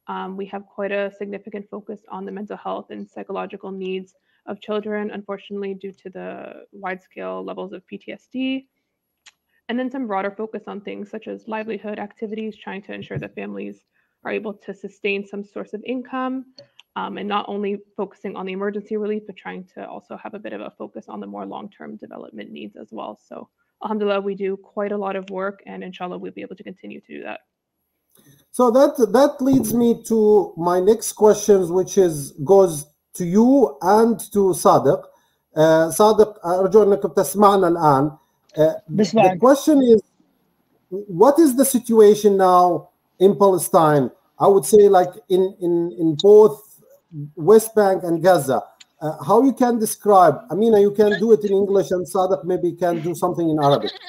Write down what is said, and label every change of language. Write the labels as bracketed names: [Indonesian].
[English] We have quite a significant focus on the mental health and psychological needs of children, unfortunately, due to the wide-scale levels of PTSD, and then some broader focus on things such as livelihood activities, trying to ensure that families are able to sustain some source of income, and not only focusing on the emergency relief, but trying to also have a bit of a focus on the more long-term development needs as well. So, alhamdulillah, we do quite a lot of work, and inshallah, we'll be able to continue to do that. So that leads me to my next questions, which is goes to you and to Sadiq. [Arabic] Sadiq, أرجو أنك تسمعنا الآن. [English] The question is, what is the situation now in Palestine? I would say like in both West Bank and Gaza. How you can describe, Amina, you can do it in English and Sadiq maybe can do something in Arabic.